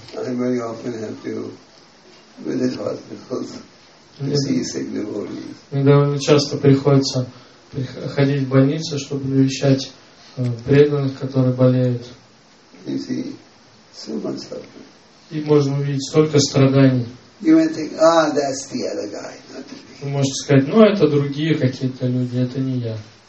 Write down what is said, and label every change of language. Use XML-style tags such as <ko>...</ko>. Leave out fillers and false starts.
<en>I very often have to visit hospitals to see sick devotees.</en> <ru>Довольно часто приходится ходить в больницу, чтобы навещать преданных, которые болеют.</ru> <en>You see so much suffering.</en> <ru>И можно увидеть столько страданий.</ru> <en>You might think, ah, that's the other guy, not the me.</en> <ru>Вы можете сказать, ну это другие какие-то люди, это не я.</ru>